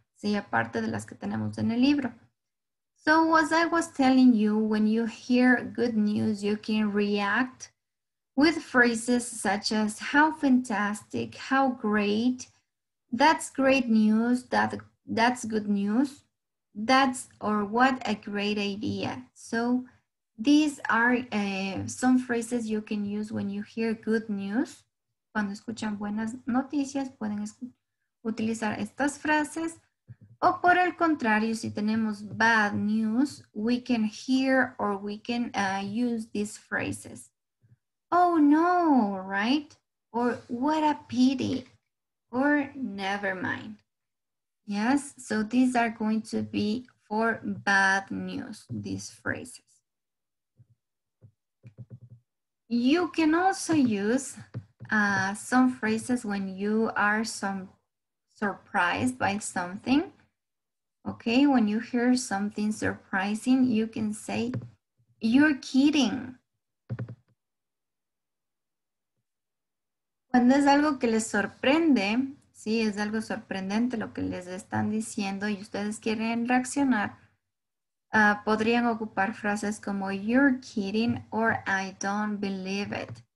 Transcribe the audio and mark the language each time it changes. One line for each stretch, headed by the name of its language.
Spanish: Sí, aparte de las que tenemos en el libro.
English: So as I was telling you, when you hear good news, you can react with phrases such as how fantastic, how great, that's great news, that's good news. That's or what a great idea. So these are some phrases you can use when you hear good news.
Spanish: Cuando escuchan buenas noticias, pueden utilizar estas frases.
English: O por el contrario, si tenemos bad news, we can hear or we can use these phrases. Oh no, right? Or what a pity. Or never mind. Yes, so these are going to be for bad news, these phrases. You can also use some phrases when you are surprised by something. Okay, when you hear something surprising, you can say, you're kidding.
Spanish: Cuando es algo que les sorprende, sí, es algo sorprendente lo que les están diciendo y ustedes quieren reaccionar.
English: Podrían ocupar frases como you're kidding or I don't believe it.